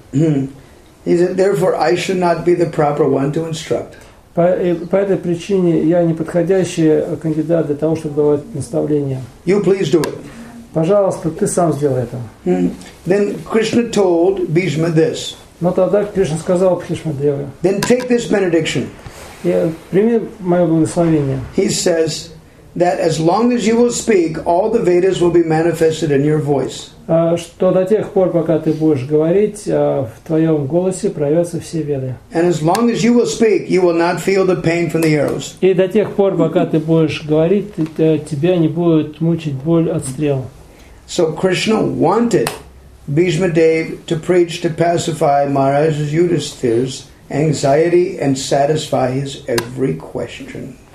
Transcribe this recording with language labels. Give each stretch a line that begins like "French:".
English: Is it therefore I should not be the proper one to instruct?
Russian: По этой причине я не подходящий кандидат для того, чтобы давать наставления.
English: You please do it.
Russian: Пожалуйста, ты сам сделай это.
English: Then Krishna told Bhishma this.
Russian: Но тогда Кришна сказал Бхишме Деве.
English: Then take this benediction. He says that as long as you will speak, all the Vedas will be manifested in your voice.
Russian: Что до тех пор, пока ты будешь говорить, в твоем голосе проявятся все веды.
English: And as long as you will speak, you will not feel the pain from the arrows.
Russian: И до тех пор, пока ты будешь говорить, тебя не будет мучить боль от стрел.
English: So Krishna wanted Bhishma Dev to preach to pacify Maharaj Yudhisthira's anxiety and satisfy his every question.